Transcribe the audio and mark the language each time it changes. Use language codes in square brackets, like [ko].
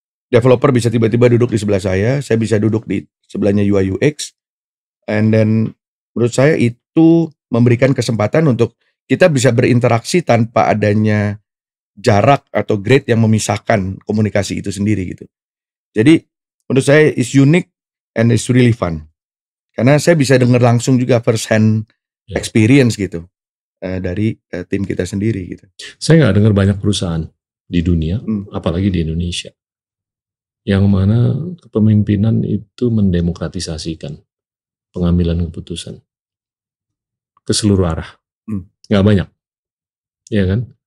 [id] developer bisa tiba-tiba duduk di sebelah saya bisa duduk di sebelahnya UI UX, and then menurut saya itu memberikan kesempatan untuk kita bisa berinteraksi tanpa adanya jarak atau grade yang memisahkan komunikasi itu sendiri gitu. Jadi menurut saya [en] is unique and is really fun. [id] Karena saya bisa dengar langsung juga [en] first hand experience [id] gitu dari tim kita sendiri gitu. Saya enggak dengar banyak perusahaan di dunia, apalagi di Indonesia, yang mana kepemimpinan itu mendemokratisasikan pengambilan keputusan ke seluruh arah. Enggak banyak. Iya kan?